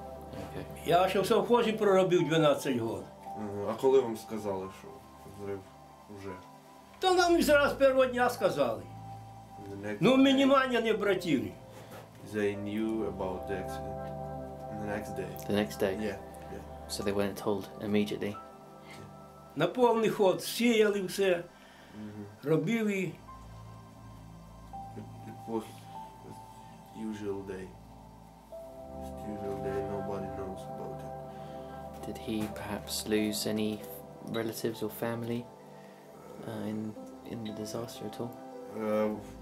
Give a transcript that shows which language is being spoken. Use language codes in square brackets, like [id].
[uk] Okay. Я ще в совхозі проробив 12 років. Ага. А коли вам сказали, що взрив вже? Та нам зразу першого дня сказали. Ну, мінімання не обратили. [en] They knew about the accident the next day. The next day? Yeah. So they weren't told immediately? [uk] На повний ход сіяли все, робили. [en] It was the usual day. The usual day, nobody knows about it. Did he perhaps lose any relatives or family in the disaster at all?